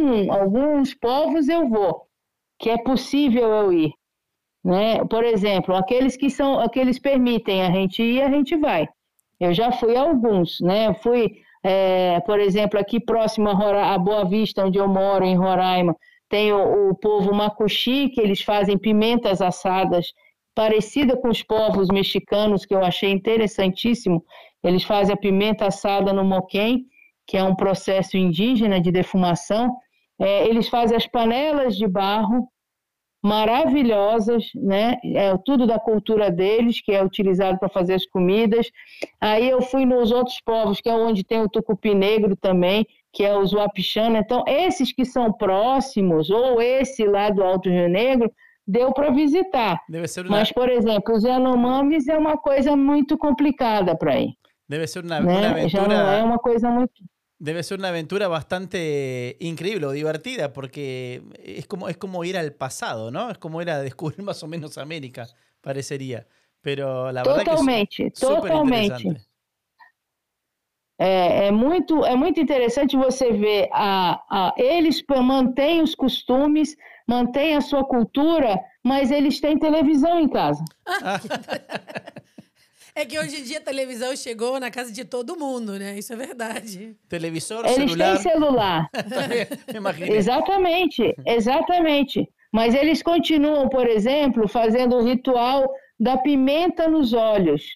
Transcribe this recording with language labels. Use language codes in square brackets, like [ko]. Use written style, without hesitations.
[es] Algunos pueblos yo voy, que es posible yo ir. Né? Por ejemplo, aquellos que permiten a gente ir, a gente va. Yo ya fui a algunos, ¿no? Fui... [pt] por exemplo, aqui próximo a Boa Vista, onde eu moro, em Roraima, tem o povo Macuxi, que eles fazem pimentas assadas parecida com os povos mexicanos, que eu achei interessantíssimo. Eles fazem a pimenta assada no moquém, que é um processo indígena de defumação. Eles fazem as panelas de barro maravilhosas, né? É tudo da cultura deles, que é utilizado para fazer as comidas. Aí eu fui nos outros povos, que é onde tem o tucupi negro também, que é os wapixana. Então, esses que são próximos, ou esse lá do Alto Rio Negro, deu para visitar. Deve ser Mas, por exemplo, os Yanomamis é uma coisa muito complicada para ir. Deve ser uma aventura... Já não é uma coisa muito... [es] Debe ser una aventura bastante increíble o divertida, porque es como ir al pasado, ¿no? Es como ir a descubrir más o menos América, parecería. Pero la verdad totalmente, que es súper interesante. Es muy interesante você ver ellos mantienen los costumes, mantienen su cultura, mas ellos tienen televisión en casa. [pt] É que hoje em dia a televisão chegou na casa de todo mundo, né? Isso é verdade. Televisor, eles celular. Eles têm celular. Exatamente, exatamente. Mas eles continuam, por exemplo, fazendo o ritual da pimenta nos olhos.